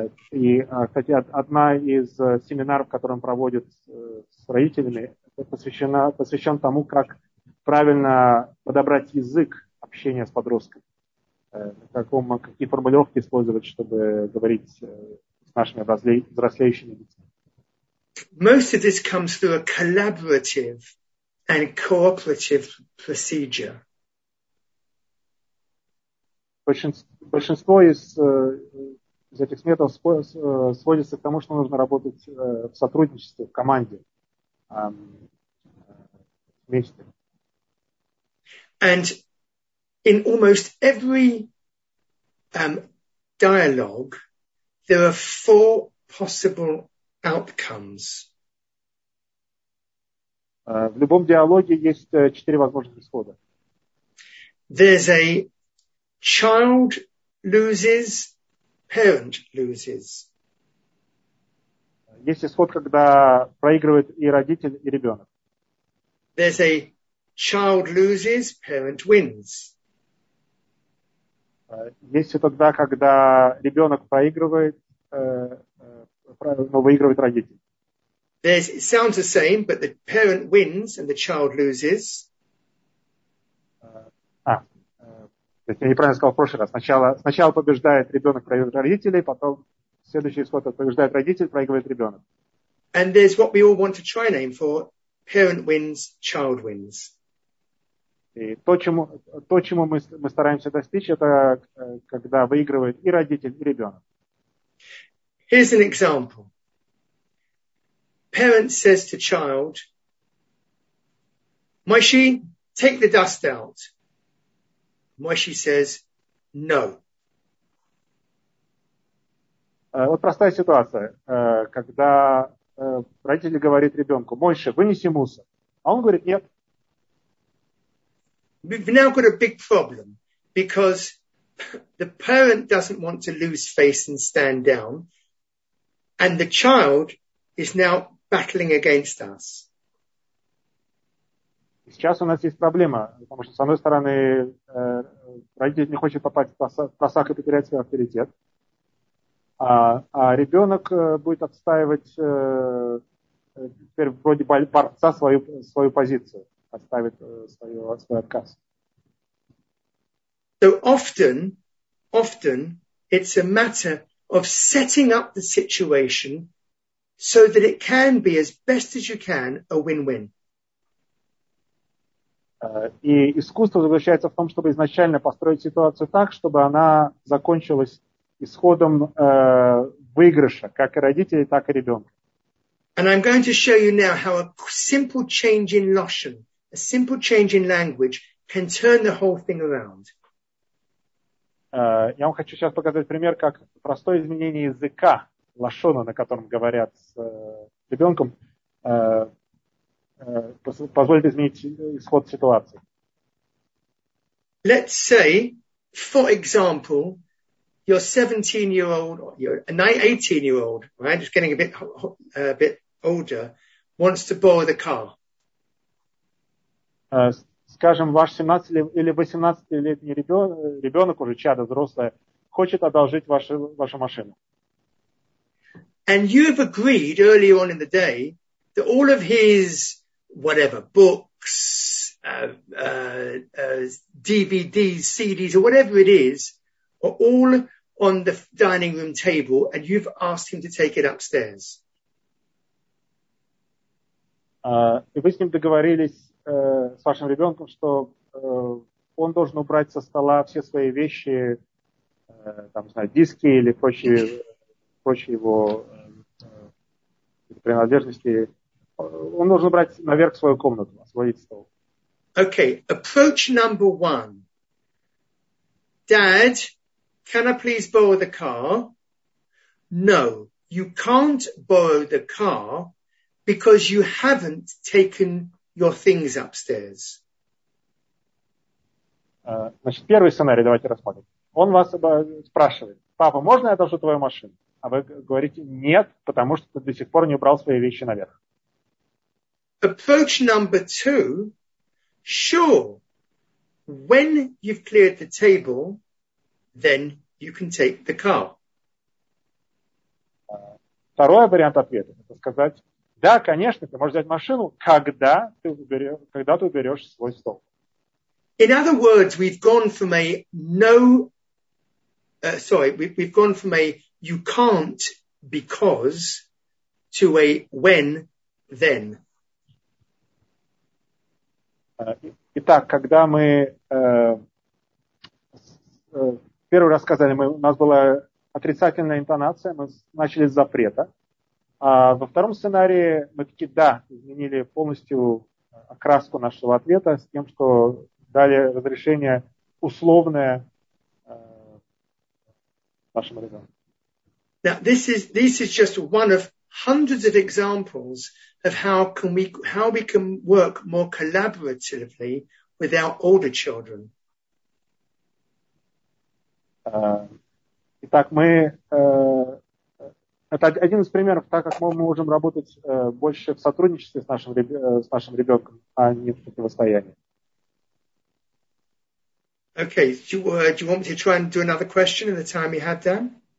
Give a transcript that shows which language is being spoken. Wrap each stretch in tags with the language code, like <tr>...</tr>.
<ru>И, кстати, одна из семинаров, которые он проводит с родителями, посвящен тому, как правильно подобрать язык общения с подростком, какие формулировки использовать, чтобы говорить с нашими взрослеющими детьми.</ru> <en>Most of this comes through a collaborative and cooperative procedure.</en> <ru>Большинство из этих методов сводится к тому, что нужно работать в сотрудничестве, в команде, вместе.</ru> <en>And in almost every dialogue, there are four possible outcomes.</en> <ru>В любом диалоге есть четыре возможных исхода.</ru> <en>There's a child loses, parent loses.</en> <ru>Есть исход, когда проигрывает и родитель, и ребенок.</ru> <en>There's a child loses, parent wins.</en> <ru>Есть и тогда, когда ребенок проигрывает, но выигрывает родитель.</ru> <en>There's, it sounds the same, but the parent wins and the child loses.</en> <ru>Я неправильно сказал в прошлый раз. Сначала побеждает ребенок, проигрывает родителей, потом следующий исход побеждает родитель, проигрывает ребенок.</ru> <en>And there's what we all want to try and aim for: parent wins, child wins.</en> <ru>И то, чему мы стараемся достичь, это когда выигрывает и родитель, и ребенок.</ru> <en>Here's an example. Parent says to child, Moshi, take the dust out. Moshi says, no.</en> <ru>Вот простая ситуация, когда родитель говорит ребенку, Моше, вынеси мусор. А он говорит, нет.</ru> <en>We've now got a big problem, because the parent doesn't want to lose face and stand down, and the child is now battling against us.</en> <ru>Сейчас у нас есть проблема, потому что, с одной стороны, родитель не хочет попасть в просак и потерять свой авторитет, а ребенок будет отстаивать теперь вроде борца свою позицию, отстаивать свой отказ.</ru> <en>So often it's a matter of setting up the situation so that it can be, as best as you can, a win-win.</en> <ru>И искусство заключается в том, чтобы изначально построить ситуацию так, чтобы она закончилась исходом выигрыша, как и родителей, так и ребенка.</ru> <en>And I'm going to show you now how a simple change in Lashon, a simple change in language, can turn the whole thing around.</en> <ru>Я вам хочу сейчас показать пример, как простое изменение языка, лашона, на котором говорят с ребенком, позволит изменить исход ситуации.</ru> <en>Let's say, for example, you're 17-year-old, you're an 18-year-old, right? Just getting a bit older, wants to borrow the car.</en> <ru>Скажем, ваш 17-летний ребенок, уже чадо взрослое, хочет одолжить вашу машину.</ru> <en>And you've agreed early on in the day that all of his, whatever, books, DVDs, CDs, or whatever it is, are all on the dining room table, and you've asked him to take it upstairs.</en> <ru>И вы с ним договорились с вашим ребенком, что он должен убрать со стола все свои вещи, там, не знаю, диски или прочие его принадлежности. Он должен убрать наверх свою комнату, освободить стол.</ru> <en>Okay, approach number one. Dad, can I please borrow the car? No, you can't borrow the car because you haven't taken your things upstairs.</en> <ru>Значит, первый сценарий давайте рассмотрим. Он вас спрашивает: папа, можно я одолжу твою машину? А вы говорите: нет, потому что ты до сих пор не убрал свои вещи наверх.</ru> <en>Approach number two. Sure. When you've cleared the table, then you can take the car.</en> <ru>Второй вариант ответа. Это сказать: да, конечно, ты можешь взять машину, когда ты уберешь свой стол.</ru> <en>In other words, we've gone from a no, we've gone from a you can't because to a when, then.</en> <ru>Итак, когда мы первый раз сказали, у нас была отрицательная интонация, мы начали с запрета. А во втором сценарии мы таки, да, изменили полностью окраску нашего ответа с тем, что дали разрешение условное нашему ребенку.</ru> <en>Now, this is just one of hundreds of examples of how we can work more collaboratively with our older children.</en> <ru>Итак, мы... Это один из примеров, так как мы можем работать больше в сотрудничестве с нашим ребенком, а не в противостоянии.</ru> <en>Okay, do you want me to try and do another question in the time we had, Dan?</en>